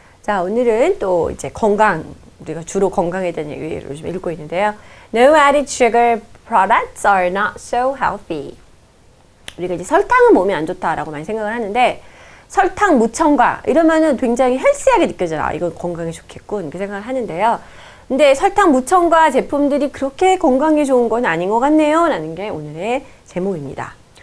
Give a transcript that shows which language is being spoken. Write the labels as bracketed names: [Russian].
[Korean] 자, 오늘은 또 이제 건강, 우리가 주로 건강에 대한 얘기를 요즘 읽고 있는데요. [English] No added sugar products are not so healthy. [Korean] 우리가 이제 설탕은 몸에 안 좋다라고 많이 생각을 하는데, 설탕 무첨가 이러면은 굉장히 헬시하게 느껴져요. 아, 이건 건강에 좋겠군. 이렇게 생각을 하는데요. 근데 설탕 무첨가 제품들이 그렇게 건강에 좋은 건 아닌 것 같네요. 라는 게 오늘의 제목입니다.